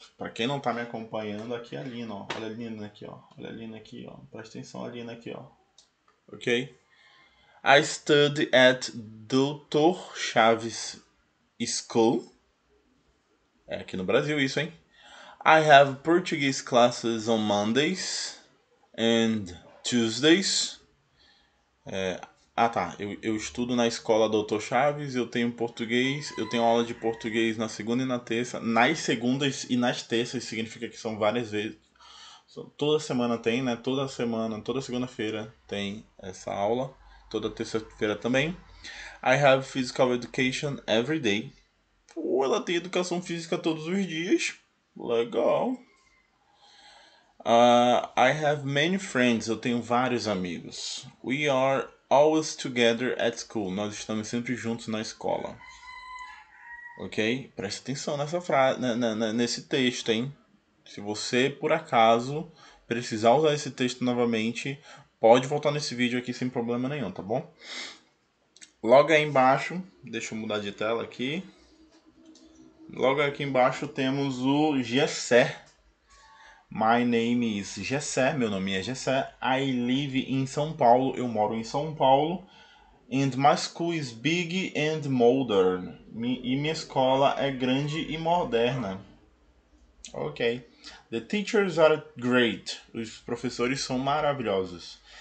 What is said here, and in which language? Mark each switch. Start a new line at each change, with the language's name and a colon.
Portuguese: Para quem não tá me acompanhando, aqui é a Lina, ó. Olha a Lina aqui, ó. Olha a Lina aqui, ó. Presta atenção a Lina aqui, ó. Ok?
English: I study at Dr.
Portuguese: Chaves School. É aqui no Brasil isso, hein?
English: I have Portuguese classes on Mondays and Tuesdays.
Portuguese: Eu estudo na escola Doutor Chaves, eu tenho português, eu tenho aula de português na segunda e na terça. Nas segundas e nas terças significa que são várias vezes. Toda semana tem, né? Toda semana, toda segunda-feira tem essa aula. Toda terça-feira também.
English: I have physical education every day.
Portuguese: Pô, ela tem educação física todos os dias.
English: Legal. I have many friends.
Portuguese: Eu tenho vários amigos.
English: We are always together at school.
Portuguese: Nós estamos sempre juntos na escola. Ok? Presta atenção nessa frase, nesse texto, hein? Se você, por acaso, precisar usar esse texto novamente, Pode voltar nesse vídeo aqui sem problema nenhum, tá bom? Logo aí embaixo, deixa eu mudar de tela aqui. Logo aqui embaixo temos o Jessé.
English: My name is Jessé,
Portuguese: meu nome é Jessé.
English: I live in São Paulo,
Portuguese: eu moro em São Paulo.
English: And my school is big and modern.
Portuguese: E minha escola é grande e moderna. Ok.
English: The teachers are great.
Portuguese: Os professores são maravilhosos.